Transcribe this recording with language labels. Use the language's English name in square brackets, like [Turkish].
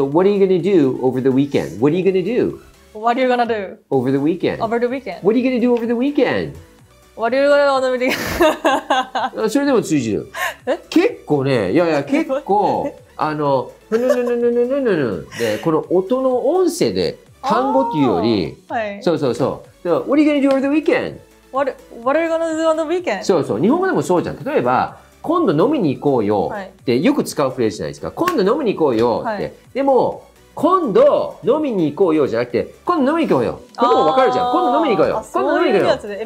[English] So, what are you going to do over the weekend? What are you going to do? What are you going to do? Over the weekend. Over the weekend. What are you going to do over the weekend? What are you going to do on the weekend? [Japanese] それでも通じる。結構ね、いやいや、結構、ぬぬぬぬぬぬぬぬぬで、この音の音声で、単語というより、はい、そうそうそう。 [English] So, what are you going to do over the weekend? What are you going to do on the weekend? [Japanese] そうそう。日本語でもそうじゃん。例えば、今度飲みに行こうよって、よく使うフレーズじゃないですか。今度飲みに行こうよって。はい、でも、今度飲みに行こうよじゃなくて、今度飲みに行こうよ。これも分かるじゃん。今度飲みに行こうよ。今度飲みに行こうよ。